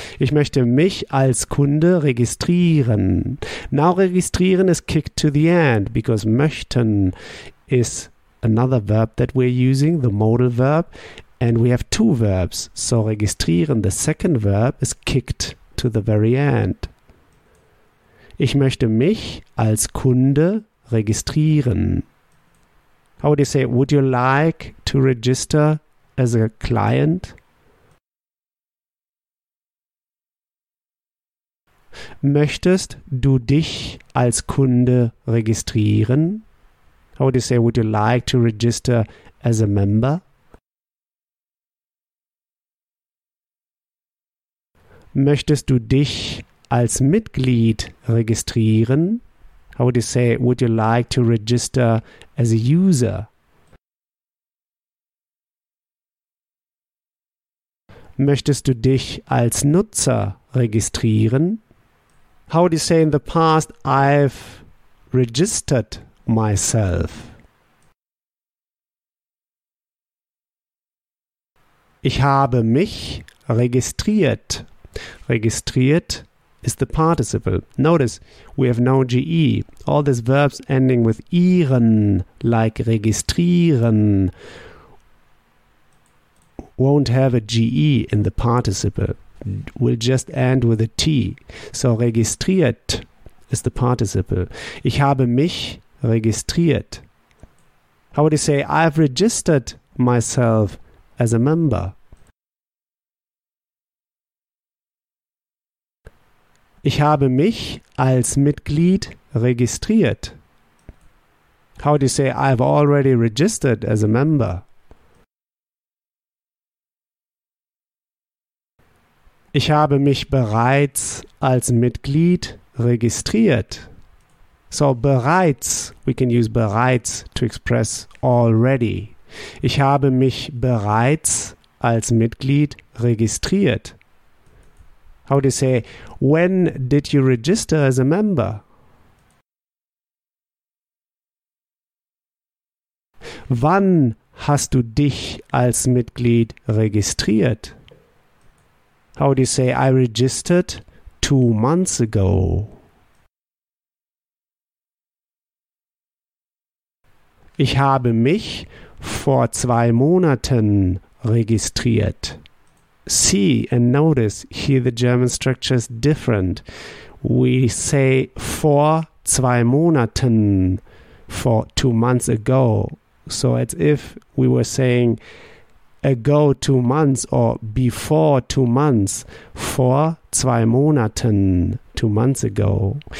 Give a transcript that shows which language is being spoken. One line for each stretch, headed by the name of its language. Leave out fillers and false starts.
German: Ich möchte mich als Kunde registrieren.
English: Now registrieren is kicked to the end, because möchten is another verb that we're using, the modal verb. And we have two verbs, so registrieren, the second verb, is kicked to the very end.
German: Ich möchte mich als Kunde registrieren.
English: How would you say, would you like to register as a client?
German: Möchtest du dich als Kunde registrieren?
English: How would you say, would you like to register as a member?
German: Möchtest du dich als Mitglied registrieren?
English: How would you say, would you like to register as a user?
German: Möchtest du dich als Nutzer registrieren?
English: How would you say in the past, I've registered myself?
German: Ich habe mich registriert.
English: Registriert is the participle. Notice, we have no GE. All these verbs ending with ihren, like registrieren, won't have a GE in the participle. Will just end with a T. So registriert is the participle.
German: Ich habe mich registriert.
English: How would you say, I've registered myself as a member?
German: Ich habe mich als Mitglied registriert.
English: How do you say, I've already registered as a member?
German: Ich habe mich bereits als Mitglied registriert.
English: So, bereits, we can use bereits to express already.
German: Ich habe mich bereits als Mitglied registriert.
English: How do you say, when did you register as a member?
German: Wann hast du dich als Mitglied registriert?
English: How do you say, I registered 2 months ago?
German: Ich habe mich vor 2 Monaten registriert.
English: See and notice, here the German structure is different. We say
German: vor 2 Monaten,
English: for 2 months ago. So as if we were saying ago 2 months or before 2 months,
German: vor 2 Monaten,
English: 2 months ago.